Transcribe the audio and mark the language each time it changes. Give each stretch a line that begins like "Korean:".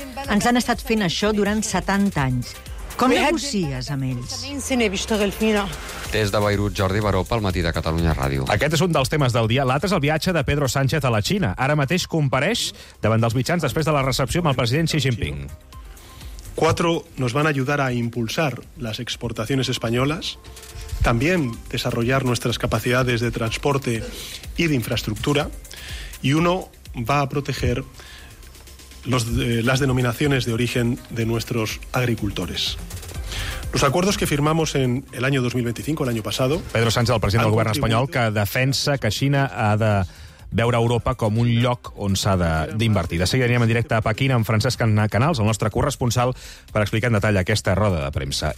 Catalan: Ens han estat fent això durant 70 anys. Com negocies amb ells? Des de Beirut, Jordi Baró, pel matí de Catalunya Ràdio. Aquest és un dels temes del dia. L'altre és el viatge de Pedro Sánchez a la Xina. Ara mateix compareix davant dels mitjans després de la recepció amb el president Xi Jinping.
Spanish: Cuatro nos van a ayudar a impulsar las exportaciones españolas, también desarrollar nuestras capacidades de transporte y de infraestructura, y uno va a proteger las denominaciones de origen de nuestros agricultores. Los acuerdos que firmamos en el año 2025, el año pasado...
Catalan: Pedro Sánchez, el president del govern espanyol, que defensa que Xina ha de veure Europa com un lloc on s'ha d'invertir. De seguida anirem en directe a Pequín amb Francesc Canals, el nostre corresponsal, per explicar en detall aquesta roda de premsa.